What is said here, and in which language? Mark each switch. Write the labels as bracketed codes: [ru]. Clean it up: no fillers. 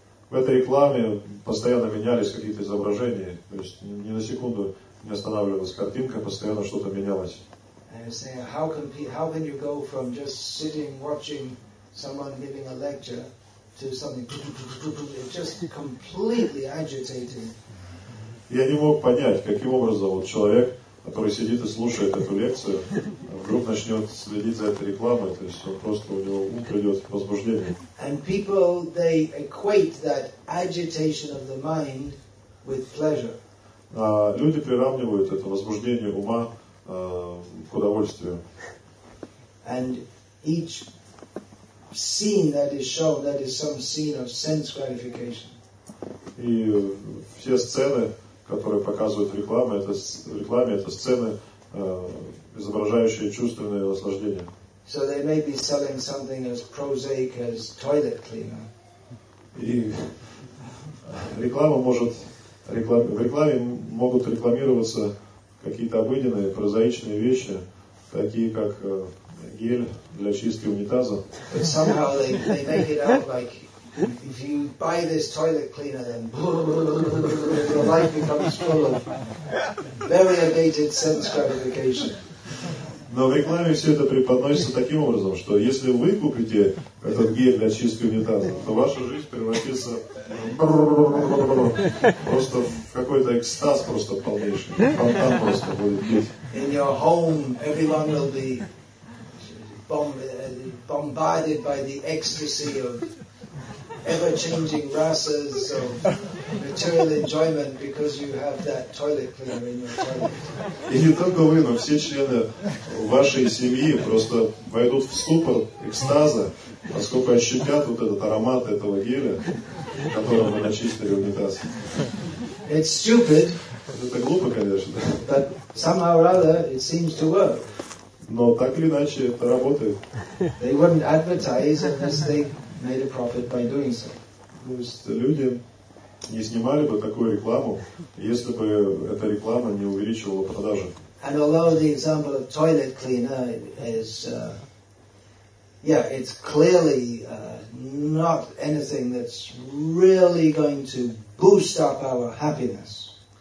[ru] В этой рекламе постоянно менялись какие-то изображения. То есть ни на секунду не останавливалась картинка, постоянно что-то менялось. [en] And you're saying, how can you go from just sitting, watching someone giving a lecture to something just completely agitating. [ru] Я не мог понять, каким образом вот человек, который сидит и слушает эту лекцию, вдруг начнет следить за этой рекламой, то есть он просто у него ум придет в возбуждение. [en] And people, they equate that agitation of the mind with pleasure. [ru] Люди приравнивают это возбуждение ума к удовольствию. [en] And each scene that is shown, that is some scene of sense gratification. [ru] И все сцены, которые показывают реклама, это в рекламе это сцены, изображающие чувственное наслаждение. [en] So they may be selling something as prosaic as toilet cleaner. [ru] И реклама может в рекламе могут рекламироваться какие-то обыденные прозаичные вещи, такие как гель для чистки унитаза. [en] But somehow they make it out like if you buy this toilet cleaner, then your life becomes full of variegated sense gratification. [ru] Но в рекламе все это преподносится таким образом, что если вы купите этот гель для чистки унитаза, то ваша жизнь превратится просто в какой-то экстаз просто полнейший. Фонтан просто будет бить. [en] In your home everyone will be bombarded by the ecstasy of ever-changing rasas of material enjoyment because you have that toilet cleaner in your toilet. [ru] И не только вы, но все члены вашей семьи просто войдут в ступор экстаза, поскольку ощутят вот этот аромат этого геля, которым вы начистили унитаз. [en] It's stupid. [ru] Это глупо, конечно. [en] But somehow or other, it seems to work. [ru] Но так или иначе это работает. [en] They wouldn't advertise unless they made a profit by doing so. [ru] То есть люди не снимали бы такую рекламу, если бы эта реклама не увеличивала продажи. [en] And although the example of toilet cleaner is, it's clearly not anything that's really going to boost up our happiness.